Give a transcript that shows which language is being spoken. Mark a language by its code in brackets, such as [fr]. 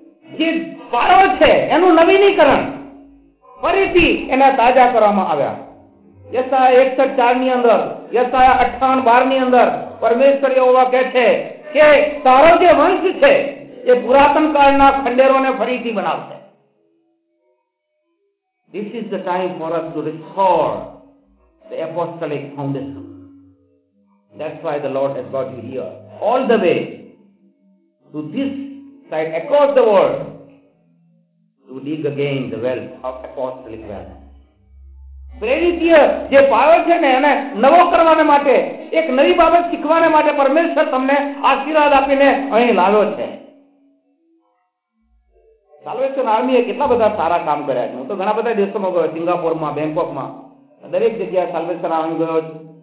[gu] જે પારો છે એનું નવીનીકરણ ફરીથી એના તાજા કરવામાં આવ્યા. યશાયા 1:4 ની અંદર, યશાયા 58:12 ની અંદર પરમેશ્વર યહોવા કહે છે કે તારો જે વંશ છે એ પુરાતન કાળના ખંડેરોને ફરીથી બનાવશે. [en] This is the time for us to restore the apostolic foundation. That's why the Lord has brought you here all the way to this side across the world to dig again the well of apostolic wealth. [gu] પ્રેરિતીય જે પાયો છે ને એને નવો કરવાને માટે, એક નવી બાબત શીખવાને માટે પરમેશ્વર તમને આશીર્વાદ આપીને અહીં લાવ્યો છે. સાલ્વેશન આર્મીએ કેટલા બધા સારા કામ કર્યા છે. હું તો ઘણા બધા દેશોમાં ગયો, સિંગાપોરમાં, બેંકોકમાં, દરેક જગ્યાએ સાલ્વેશન આર્મી ગયો છું.